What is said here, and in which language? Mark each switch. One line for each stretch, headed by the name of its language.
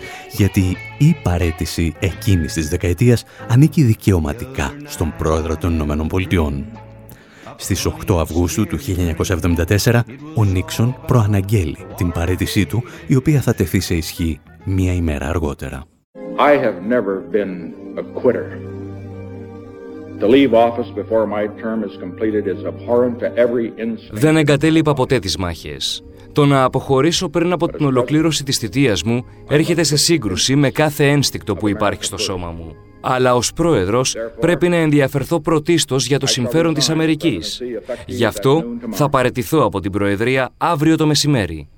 Greek: Γιατί η παραίτηση εκείνης της δεκαετίας ανήκει δικαιωματικά στον πρόεδρο των Ηνωμένων Πολιτειών. Στις 8 Αυγούστου του 1974, ο Νίξον προαναγγέλει την παραίτησή του, η οποία θα τεθεί σε ισχύ μία ημέρα αργότερα.
English: I have never been a quitter. To leave office before my term is completed is abhorrent to every instinct.
Greek: Δεν εγκατέλειπα ποτέ τις μάχες. Το να αποχωρήσω πριν από την ολοκλήρωση της θητείας μου έρχεται σε σύγκρουση με κάθε ένστικτο που υπάρχει στο σώμα μου. Αλλά ως πρόεδρος πρέπει να ενδιαφερθώ πρωτίστως για το συμφέρον της Αμερικής. Γι' αυτό θα παραιτηθώ από την Προεδρία αύριο το μεσημέρι.